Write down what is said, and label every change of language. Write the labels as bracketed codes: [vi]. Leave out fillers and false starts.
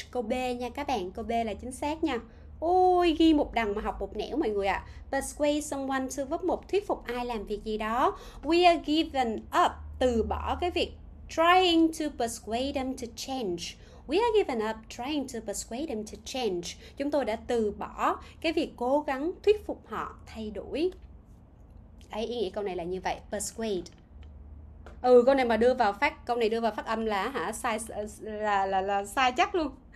[vi] Câu B nha các bạn, câu B là chính xác nha. Ôi, ghi một đằng mà học một nẻo mọi người ạ. À. [en] Persuade someone to verb 1, [vi] thuyết phục ai làm việc gì đó. [en] We are given up, [vi] từ bỏ cái việc [en] trying to persuade them to change. We have given up trying to persuade them to change. [vi] Chúng tôi đã từ bỏ cái việc cố gắng thuyết phục họ thay đổi. Ấy, ý nghĩa câu này là như vậy, persuade. Ừ, câu này mà đưa vào phát, câu này đưa vào phát âm là hả sai, là sai chắc luôn.